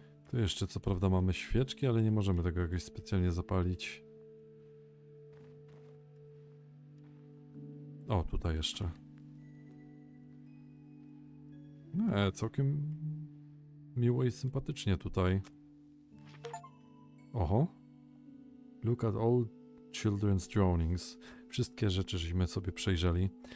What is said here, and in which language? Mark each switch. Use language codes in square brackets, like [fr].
[pl] Tu jeszcze co prawda mamy świeczki, ale nie możemy tego jakoś specjalnie zapalić. O, tutaj jeszcze. Całkiem miło i sympatycznie tutaj. Oho. [en] Look at all children's drawings. [pl] Wszystkie rzeczy, żeśmy sobie przejrzeli.